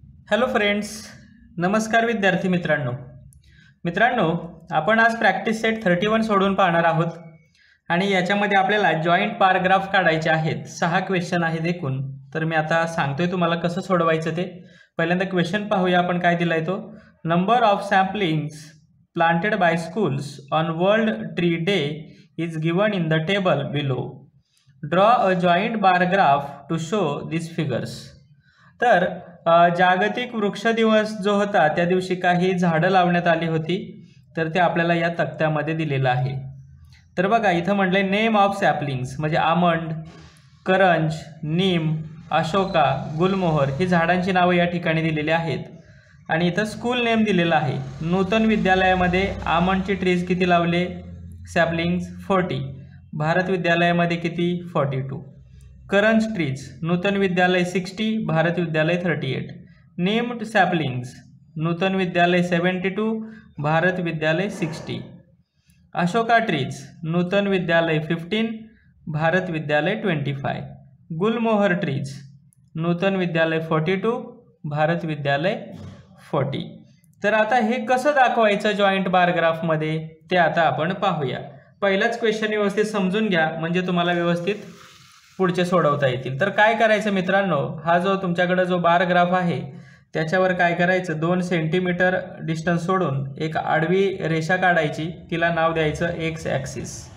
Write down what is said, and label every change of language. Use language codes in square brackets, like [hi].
[mr] Hello friends, नमस्कार विद्यार्थी मित्रांनो. मित्रांनो, आपण आज प्रॅक्टिस सेट 31 सोडून पाहणार आहोत आणि याच्यामध्ये आपल्याला जॉईंट पॅराग्राफ काढायचे आहेत. 6 क्वेश्चन आहेत एकूण. तर मी आता सांगतोय तुम्हाला कसं सोडवायचं ते. पहिल्यांदा क्वेश्चन पाहूया आपण काय दिलाय तो. [en] Number of samplings planted by schools on world tree day is given in the table below. Draw a joint paragraph to show these figures. [mr] तर जागतिक वृक्ष दिवस जो होता त्या दिवशी काही झाडं लावण्यात आली होती, तर ते आपल्याला या तक्त्यामध्ये दिलेलं आहे. तर बघा, इथं म्हटलंय [en] name of saplings [mr] म्हणजे आमंड, करंज, नीम, अशोका, गुलमोहर ही झाडांची नावं या ठिकाणी दिलेली आहेत. आणि इथं स्कूल नेम दिलेलं आहे. नूतन विद्यालयामध्ये आमंडची ट्रीज किती लावले, सॅपलिंग्स 40. भारत विद्यालयामध्ये किती, 42. करंज ट्रीज नूतन विद्यालय 60, भारत विद्यालय 38. नेम्ड सॅपलिंग्स नूतन विद्यालय 72, भारत विद्यालय 60. अशोका ट्रीज नूतन विद्यालय 15, भारत विद्यालय 25. गुलमोहर ट्रीज नूतन विद्यालय 42, भारत विद्यालय 40. तर आता हे कसं दाखवायचं जॉईंट पॅराग्राफमध्ये ते आता आपण पाहूया. पहिलाच क्वेश्चन व्यवस्थित समजून घ्या म्हणजे तुम्हाला व्यवस्थित पुढचे सोडवता येतील. तर काय करायचं मित्रांनो, हा जो तुमच्याकडे जो बार ग्राफ आहे त्याच्यावर काय करायचं, 2 सेंटीमीटर डिस्टन्स सोडून एक आडवी रेषा काढायची, तिला नाव द्यायचं एक्स ॲक्सिस.